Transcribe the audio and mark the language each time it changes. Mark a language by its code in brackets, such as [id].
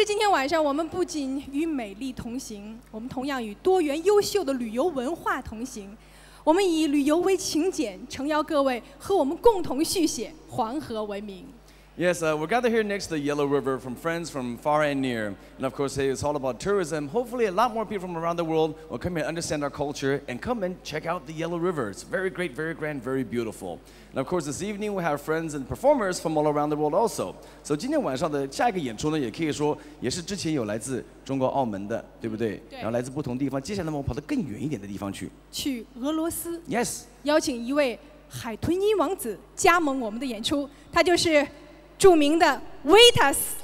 [zh] 晚上我们不仅与美丽同行，我们同样与多元优秀的旅游文化同行。我们以旅游为请柬，诚邀各位和我们共同续写黄河文明。 [en] Yes, we're gathered here next to the Yellow River from friends from far and near. And of course, it's all about tourism. Hopefully, a lot more people from around the world will come here and understand our culture and come and check out the Yellow River. It's very great, very grand, very beautiful. And of course, this evening, we have friends and performers from all around the world also. [zh] So, 今天晚上的下一个演出呢，也可以说也是之前有来自中国澳门的，对不对？对。然后来自不同地方，接下来我们跑到更远一点的地方去。去俄罗斯。 [en] Yes. [zh] 邀请一位海豚音王子加盟我们的演出，他就是著名的 Vitas.